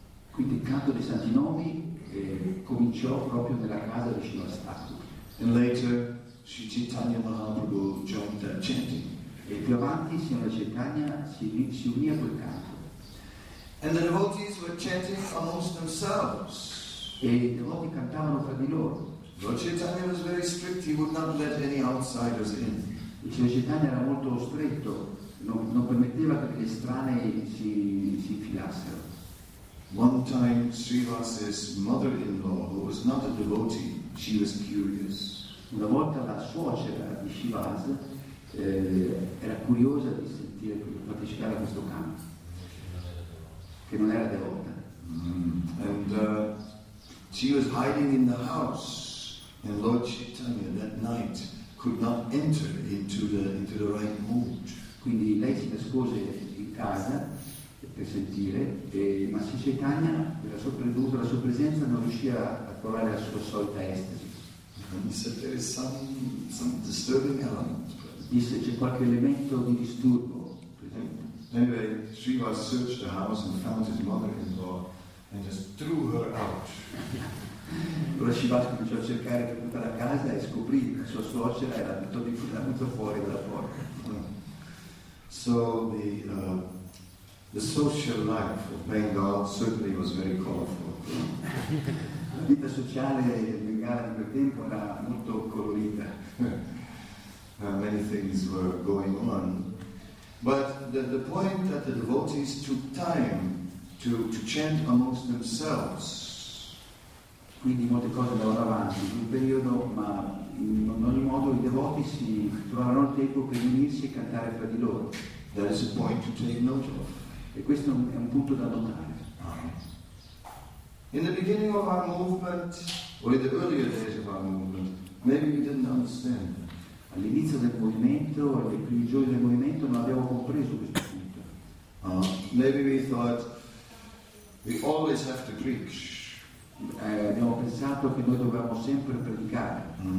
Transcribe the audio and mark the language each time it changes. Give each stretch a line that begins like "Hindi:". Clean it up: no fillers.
Italian: Quindi il canto dei santi nomi cominciò proprio nella casa di Srivas Thakur.
English: And later Sri Chaitanya Mahaprabhu joined that chanting.
Italian: E più avanti Signora Chaitanya si unì a quel canto.
English: And the devotees were chanting amongst themselves.
Italian: E i devoti cantavano fra di loro.
English: Lord Chaitanya was very strict, he would not let any outsiders in.
Italian: Il Signore Chaitanya era molto stretto, non permetteva che gli estranei si infilassero.
English: One time Srivas's mother-in-law, who was not a devotee, she was curious.
Italian: Una volta la suocera di Srivas era curiosa di sentire di partecipare a questo canto, che non era devota.
English: She was hiding in the house. And Lord Chaitanya that night could not enter into the right mood.
Italian: Quindi lei si nascose in casa per sentire, ma Sri Chaitanya, dovuto alla sua presenza, non riuscì a trovare la sua solita estasi.
English: And he said there is some disturbing element.
Italian: Disse c'è qualche elemento di disturbo presente.
English: Anyway, Srivas searched the house and found his mother-in-law and just threw her out.
Italian: Allora Srivas cominciò a cercare per tutta la casa e scoprì che sua suocera era tutto fuori dalla porta.
English: So the social life of Bengal certainly was very colorful.
Italian: La vita sociale del Bengala in quel tempo era molto colorita.
English: Many things were going on. But the point that the devotees took time to chant amongst themselves.
Italian: Quindi molte cose andavano avanti in un periodo, ma in ogni modo i devoti si trovarono il tempo per unirsi e cantare fra di loro.
English: That is a point to take note of.
Italian: E questo è un punto da notare.
English: In the beginning of our movement, or in the earlier days of our movement, maybe we didn't understand.
Italian: All'inizio del movimento, nei primi giorni del movimento, non abbiamo compreso questo punto.
English: Maybe we thought we always have to preach.
Italian: Abbiamo pensato che noi dovevamo sempre predicare.